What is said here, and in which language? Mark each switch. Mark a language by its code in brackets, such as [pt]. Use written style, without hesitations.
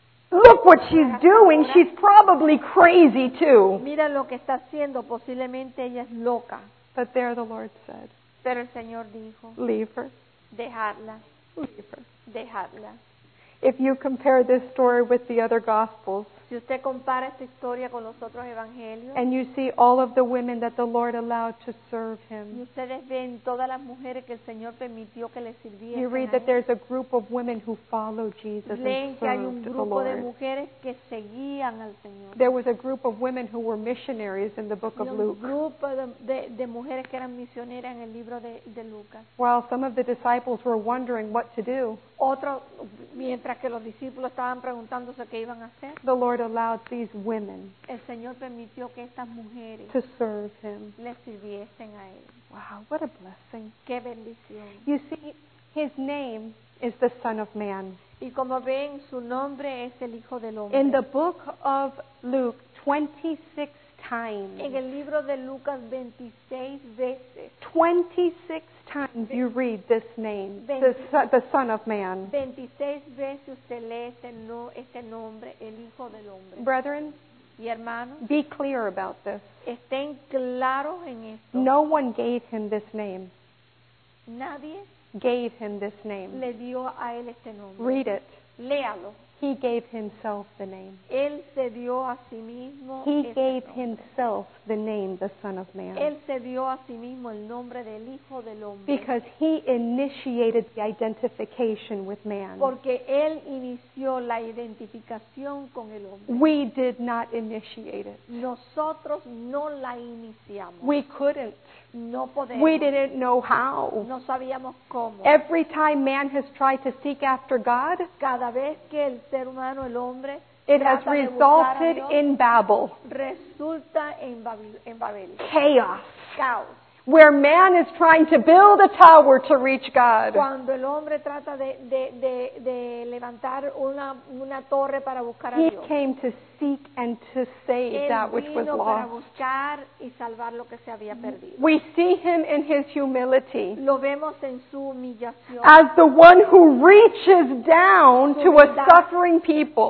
[en] Look what she's doing. She's probably crazy too. [es] Mira lo que está haciendo. Posiblemente ella es loca. [en] But there the Lord said. [es] Pero el Señor dijo. [en] Leave her. [es] Dejarla. [en] Leave her. [es] Dejarla. [en] If you compare this story with the other Gospels. [es] Si Si usted compara esta historia con los otros evangelios, [en] and you see all of the women that the Lord allowed to serve him, [es] y ustedes ven todas las mujeres que el Señor permitió que le sirvieran, [en] you read that there's a group of women who followed Jesus and served the Lord. [es] Leen que hay un grupo de mujeres que seguían al Señor. [en] There was a group of women who were missionaries in the book of Luke. [es] Y un grupo de mujeres que eran misioneras en el libro de Lucas. [en] While some of the disciples were wondering what to do, [es] otro, mientras que los discípulos estaban preguntándose qué iban a hacer, [en] the Lord allowed these women, [es] el Señor permitió que estas mujeres, [en] to serve him, [es] le sirviesen a él. [en] Wow, what a blessing. [es] Qué bendición. [en] You see, his name is the Son of Man. [es] Y como ven, su nombre es el Hijo del Hombre. [en] In the book of Luke, 26 times. [es] En el libro de Lucas, 26 veces. [en] 26 times you read this name, the Son of Man. [es] 26 veces usted lee este nombre, el Hijo del Hombre. [en] Brethren, [es] y hermanos, [en] be clear about this. [es] Estén claros en esto. [en] No one gave him this name. [es] Nadie [en] gave him this name. [es] Le dio a él este nombre. [en] Read it. [es] Léalo. [en] He gave himself the name. [es] Él se dio a sí mismo. [en] He gave himself the name, the Son of Man. [es] Él se dio a sí mismo el nombre del Hijo del Hombre. [en] Because he initiated the identification with man. [es] Porque él inició la identificación con el hombre. [en] We did not initiate it. [es] Nosotros no la iniciamos. [en] We couldn't. [es] No podemos. [en] We didn't know how. [es] No sabíamos cómo. [en] Every time man has tried to seek after God, [es] cada vez que el ser humano, el hombre, [en] it has resulted in Babel. [es] Resulta en Babel. [en] Chaos. [es] Caos. [en] Where man is trying to build a tower to reach God. [es] Cuando el hombre trata de levantar una torre para buscar a [en] he [es] Dios. [en] He came to seek and to save [es] él [en] that which was lost. [es] Para buscar y salvar lo que se había perdido. [en] We see him in his humility. [es] Lo vemos en su humillación. [en] As the one who reaches down to a suffering people.